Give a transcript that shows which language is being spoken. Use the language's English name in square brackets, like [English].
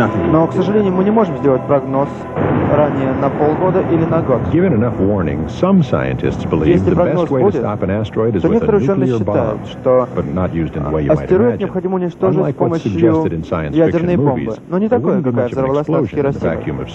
[Russian] Но, к сожалению, мы не можем сделать прогноз ранее на полгода или на год. [English] Given enough warning, some scientists believe the best way to stop an asteroid is with a nuclear bomb, but not used in the way you might imagine. [Russian] Астероид необходимо уничтожить с помощью ядерной бомбы, но не такой, какая взорвалась на Хиросиме.